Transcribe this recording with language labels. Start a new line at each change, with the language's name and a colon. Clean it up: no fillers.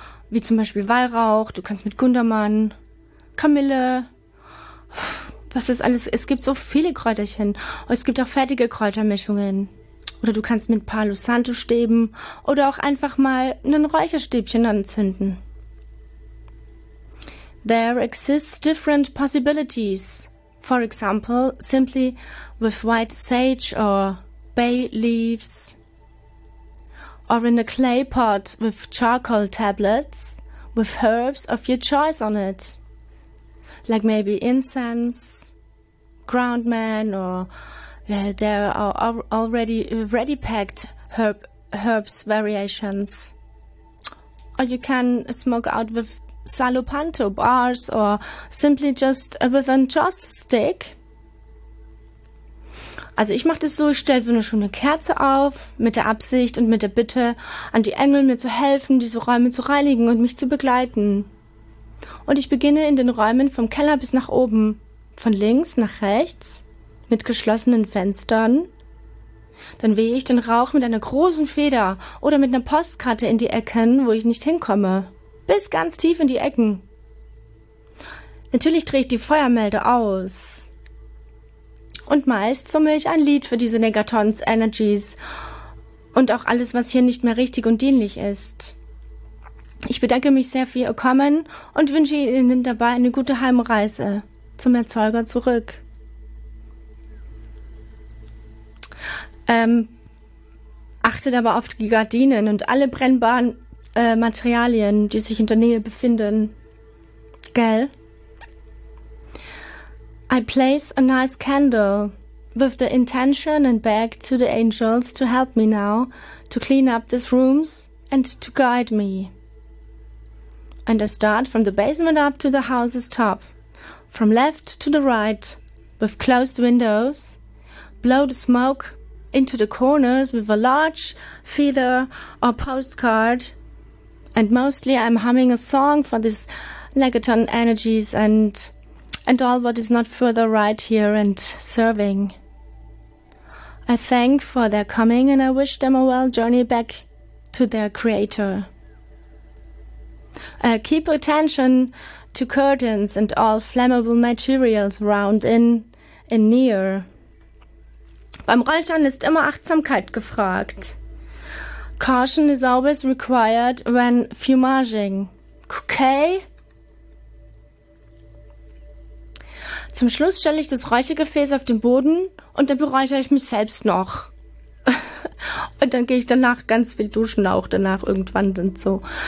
German: Wie zum Beispiel Weihrauch, du kannst mit Gundermann, Kamille, was ist alles, es gibt so viele Kräuterchen. Und es gibt auch fertige Kräutermischungen. Oder du kannst mit Palo Santo Stäben oder auch einfach mal ein Räucherstäbchen anzünden.
English: There exist different possibilities. For example, simply with white sage or bay leaves, or in a clay pot with charcoal tablets with herbs of your choice on it, like maybe incense, ground man, or there are already ready packed herbs variations. Or you can smoke out with salopanto bars or simply just with a joss stick.
German: Also ich mache das so, ich stelle so eine schöne Kerze auf, mit der Absicht und mit der Bitte an die Engel, mir zu helfen, diese Räume zu reinigen und mich zu begleiten. Und ich beginne in den Räumen vom Keller bis nach oben, von links nach rechts, mit geschlossenen Fenstern. Dann wehe ich den Rauch mit einer großen Feder oder mit einer Postkarte in die Ecken, wo ich nicht hinkomme, bis ganz tief in die Ecken. Natürlich drehe ich die Feuermelde aus. Und meist summe ich ein Lied für diese Negatons, Energies und auch alles, was hier nicht mehr richtig und dienlich ist. Ich bedanke mich sehr für Ihr Kommen und wünsche Ihnen dabei eine gute Heimreise zum Erzeuger zurück. Achtet aber auf die Gardinen und alle brennbaren Materialien, die sich in der Nähe befinden. Gell?
English: I place a nice candle with the intention and beg to the angels to help me now to clean up these rooms and to guide me. And I start from the basement up to the house's top, from left to the right, with closed windows, blow the smoke into the corners with a large feather or postcard, and mostly I'm humming a song for these negaton energies and all what is not further right here and serving. I thank for their coming and I wish them a well journey back to their creator. Keep attention to curtains and all flammable materials round in near.
German: Beim Räuchern ist immer Achtsamkeit gefragt.
English: Caution is always required when fumaging. Okay?
German: Zum Schluss stelle ich das Räuchergefäß auf den Boden und dann beräuchere ich mich selbst noch. Und dann gehe ich danach ganz viel duschen auch danach irgendwann und so.